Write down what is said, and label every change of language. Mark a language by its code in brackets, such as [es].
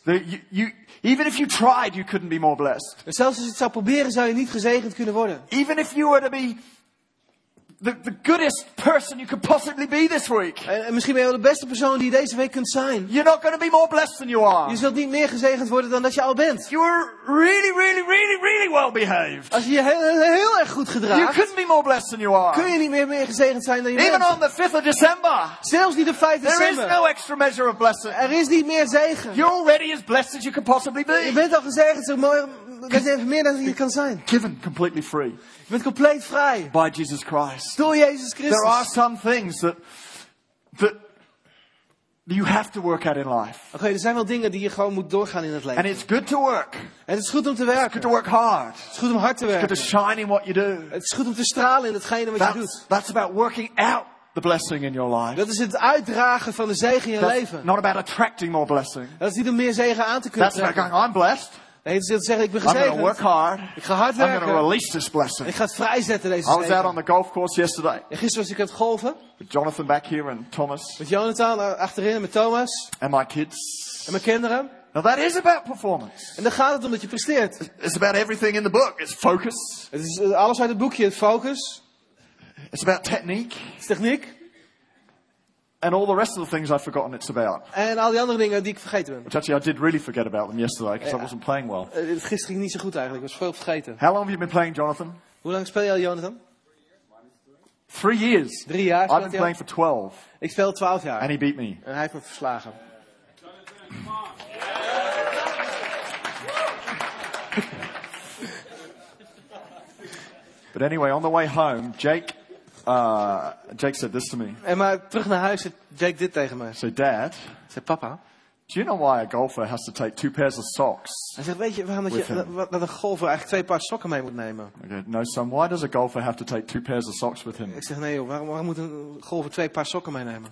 [en] Even if you tried you couldn't be more blessed. [nl] En zelfs als je het zou proberen zou je niet gezegend kunnen worden. [en] Even if you were to be the goodest person you could possibly be this week. [nl] En misschien ben je wel de beste persoon die je deze week kunt zijn. [en] You're not going to be more blessed than you are. [nl] Je zult niet meer gezegend worden dan dat je al bent. [en] You're really, really, really, really well behaved. [nl] Als je je heel erg goed gedraagt. [en] You couldn't be more blessed than you are. [nl] Kun je niet meer gezegend zijn dan je [en] even [nl] bent. [en] Even on the 5th of December. [nl] Zelfs niet de 5th [en] there [nl] december. [en] There is no extra measure of blessing. [nl] Er is niet meer zegen. [en] You're already as blessed as you could possibly be. [nl] Je bent al gezegend zo mooi. Dat is even meer dan je kan zijn. [en] Given completely free. [nl] Je bent compleet vrij. [en] By Jesus Christ. [nl] Door Jezus Christus. [en] There are some things that you have to work at in life. [nl] Oké, er zijn wel dingen die je gewoon moet doorgaan in het leven. [en] And it's good to work. [nl] En het is goed om te werken. [en] It's good to work hard. [nl] Het is goed om hard te werken. [en] It's good to shine in what you do. [nl] Het is goed om te stralen in hetgene wat je doet. [en] That's about working out. The blessing in your life. [nl] Dat is het uitdragen van de zegen in je leven. [en] Not about attracting more blessing. [nl] Dat is niet om meer zegen aan te kunnen trekken. [en] That's about going, I'm blessed. [nl] Nee, het is zeggen, ik ben gezegend. [en] I'm going to work hard. [nl] Ik ga hard werken. [en] I'm going to release this blessing. [nl] Ik ga het vrijzetten deze zegen. [en] I was out on the golf course yesterday. [nl] En gisteren was ik aan het golven. [en] With Jonathan back here and Thomas. [nl] Met Jonathan achterin en met Thomas. [en] And my kids. [nl] En mijn kinderen. [en] Now that is about performance. [nl] En dan gaat het om dat je presteert. [en] It's about everything in the book. It's focus. [nl] Het is alles uit het boekje, het focus. [en] It's about technique. It's [nl] techniek. [en] And all the rest of the things I've forgotten it's about. [nl] En al die andere dingen die ik vergeten ben. [en] Which actually I did really forget about them yesterday because I wasn't playing well. [nl] Gisteren ging niet zo goed eigenlijk, ik was veel vergeten. [en] How long have you been playing, Jonathan? [nl] Hoe lang speel je al, Jonathan? [en] 3 years. [nl] 3 jaar. [en] I've been playing for 12. [nl] Ik speel 12 jaar. [en] And he beat me. [nl] En hij heeft me verslagen. [en] But anyway, on the way home, Jake said this to me. [nl] En maar terug naar huis zei Jake dit tegen me. [en] So dad. [nl] Zei papa. [en] Do you know why a golfer has to take 2 pairs of socks? [nl] Hij zegt weet je waarom dat een golfer eigenlijk 2 paar sokken mee moet nemen? [en] Okay, no son, why does a golfer have to take 2 pairs of socks with him? [nl] Ik zeg nee joh, waarom moet een golfer 2 paar sokken meenemen?